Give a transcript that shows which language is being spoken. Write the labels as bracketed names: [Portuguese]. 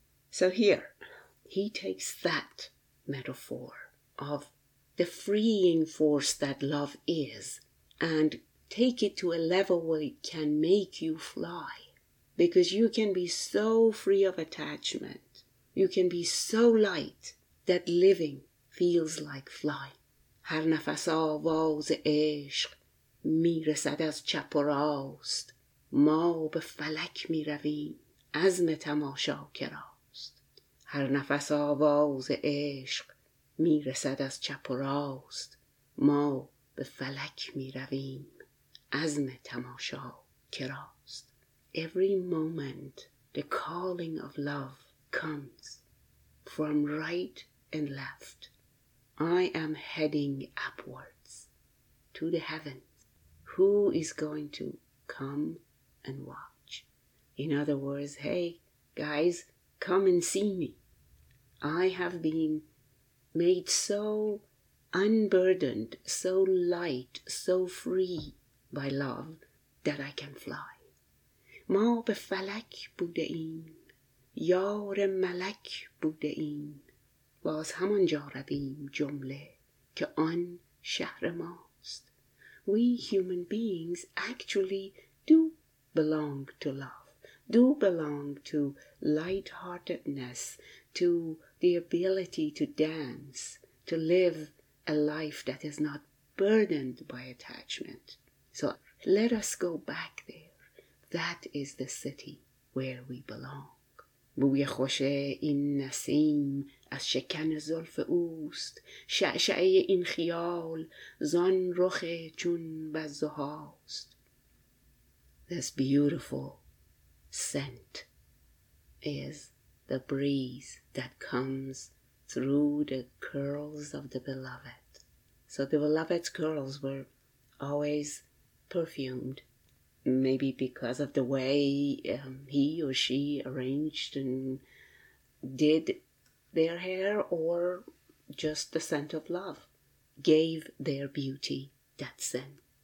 [English] So here, he takes that metaphor of the freeing force that love is and take it to a level where it can make you fly. Because you can be so free of attachment, you can be so light that living feels like fly. [Persian] هر نفس آواز عشق می رسد از چپ و راست. ما به فلک می رویم عزم تماشا کراست. هر نفس آواز عشق می رسد از چپ و راست. ما به فلک می رویم عزم تماشا کراست. [English] Every moment the calling of love comes from right and left. I am heading upwards to the heavens. Who is going to come and watch? In other words, hey, guys, come and see me. I have been made so unburdened, so light, so free by love that I can fly. [Persian] ما به فلک بوده ایم. یار ملک بوده ایم. باز همان جا رویم جمله که آن شهر ماست. [English] We human beings actually do belong to love, do belong to lightheartedness, to the ability to dance, to live a life that is not burdened by attachment. So let us go back there. That is the city where we belong. [Persian] بوی خوش این نسیم از شکن زلف اوست، شعشعه این خیال زان رخ چون بزهاست. [English] This beautiful scent is the breeze that comes through the curls of the beloved. So the beloved's curls were always perfumed, maybe because of the way he or she arranged and did their hair, or just the scent of love gave their beauty that scent.